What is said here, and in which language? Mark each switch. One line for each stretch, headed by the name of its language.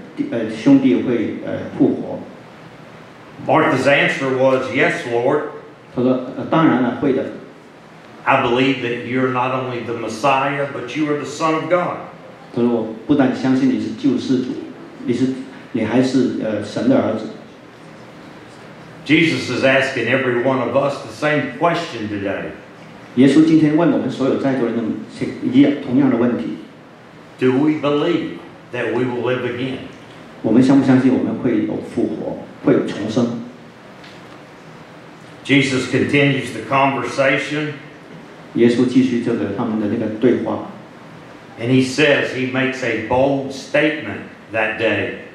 Chinese: 他说：“你真的相不相信你的兄弟会复活？”
English: Martha's answer was, "Yes, Lord."
Chinese: 他说：“当然了，会的。”
English: I believe that you're not only the Messiah, but you are the Son of God.
Chinese: 他说：“我不但相信你是救世主，你还是神的儿子。”
English: Jesus is asking every one of us the same question today.
Chinese: 耶稣今天问我们所有在座人的同样的问题。
English: Do we believe that we will live again?
Chinese: 我们相不相信我们会有复活，会有重生？
English: Jesus continues the conversation.
Chinese: 耶稣继续这个他们的那个对话。
English: And he says he makes a bold statement that day.